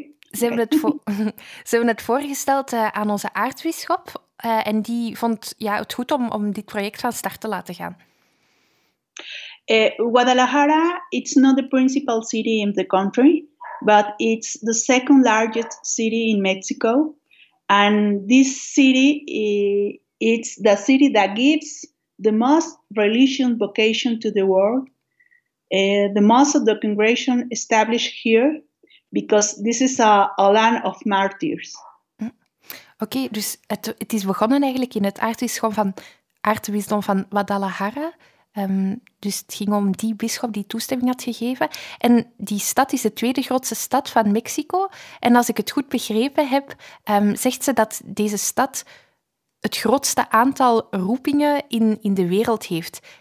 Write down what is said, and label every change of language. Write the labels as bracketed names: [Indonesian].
[Dutch] Ze hebben het voorgesteld aan onze aartsbisschop en die vond het goed om dit project van start te laten gaan. [English] Guadalajara, it's not the principal city in the country, but it's the second largest city in Mexico. And this city, it's the city that gives the most religious vocation to the world. The most of the congregation established here, because this is a land of martyrs. [Dutch] Oké, dus het is begonnen eigenlijk in het aartsbisdom van Guadalajara. Dus het ging om die bisschop die toestemming had gegeven. En die stad is de tweede grootste stad van Mexico. En als ik het goed begrepen heb, zegt ze dat deze stad het grootste aantal roepingen in de wereld heeft.